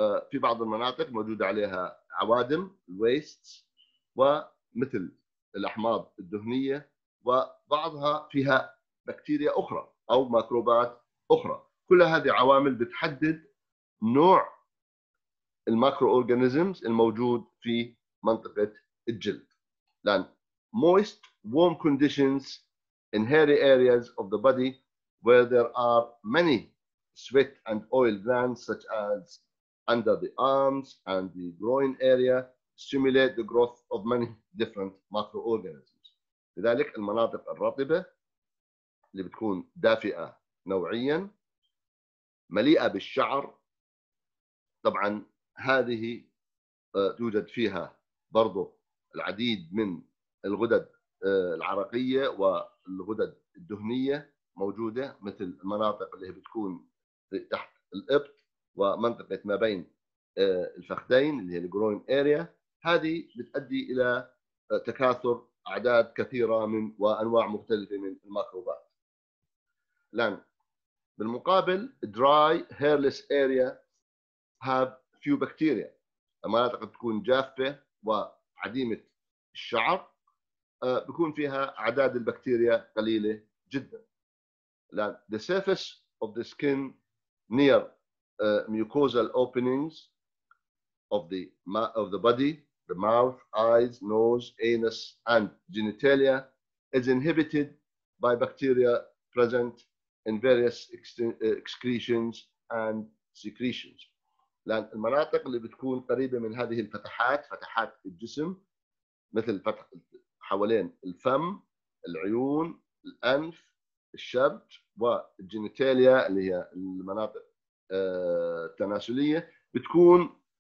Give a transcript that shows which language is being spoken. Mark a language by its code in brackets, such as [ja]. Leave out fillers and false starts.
[ar] في بعض المناطق موجودة عليها عوادم wastes ومثل الأحماض الدهنية, وبعضها فيها بكتيريا أخرى أو ميكروبات أخرى. كل هذه عوامل بتحدد نوع الميكرو أورجانيزمز الموجود في منطقة الجلد. [en] لأن moist warm conditions in hairy areas of the body where there are many sweat and oil glands such as under the arms and the groin area stimulate the growth of many different microorganisms. [ar] لذلك المناطق الرطبة اللي بتكون دافئة نوعيا مليئة بالشعر, طبعا هذه توجد فيها برضو العديد من الغدد العرقية والغدد الدهنية موجودة, مثل المناطق اللي بتكون تحت الإبط ومنطقة ما بين الفخذين اللي هي الجروين أريا. هذه بتؤدي إلى تكاثر أعداد كثيرة من وأنواع مختلفة من الميكروبات. لان بالمقابل [en] dry hairless area have few bacteria، [ar] المناطق تكون جافة وعديمة الشعر بيكون فيها أعداد البكتيريا قليلة جدا. [en] لان the surface of the skin near mucosal openings of the body, the mouth, eyes, nose, anus, and genitalia is inhibited by bacteria present in various excretions and secretions. [ar] لأن المناطق اللي بتكون قريبة من هذه الفتحات، فتحات الجسم مثل فتح حوالين الفم، العيون، الأنف، الشرج والجينيتاليا اللي هي المناطق التناسلية، بتكون